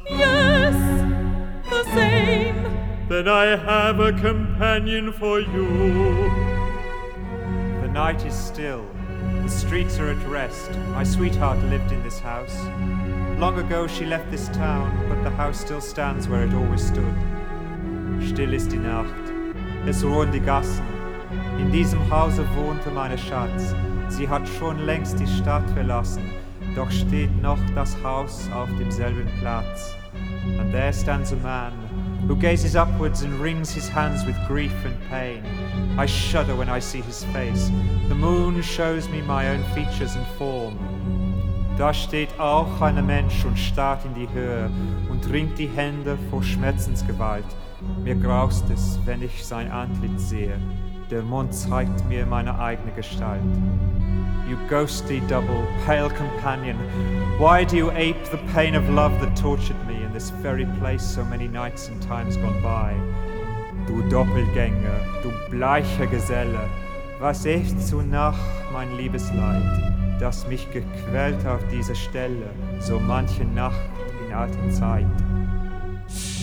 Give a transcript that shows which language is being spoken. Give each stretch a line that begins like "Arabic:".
English: Yes, the same. Then I have a companion for you. The night is still. The streets are at rest. My sweetheart lived in this house. Long ago she left this town, but the house still stands where it always stood.
German: Still ist die Nacht, es ruhen die Gassen. In diesem Hause wohnte meine Schatz. Sie hat schon längst die Stadt verlassen, doch steht noch das Haus auf demselben Platz.
English: And there stands a man who gazes upwards and wrings his hands with grief and pain. I shudder when I see his face. The moon shows me my own features and form.
German: Da steht auch ein Mensch und starrt in die Höhe und ringt die Hände vor Schmerzensgewalt. Mir graust es, wenn ich sein Antlitz sehe. Der Mond zeigt mir meine eigene Gestalt.
English: You ghostly double, pale companion, why do you ape the pain of love that tortured me in this very place so many nights and times gone by?
German: Du Doppelgänger, du bleicher Geselle, was ist so nach mein liebes Leid, das mich gequält auf dieser Stelle so manche Nacht in alter Zeit?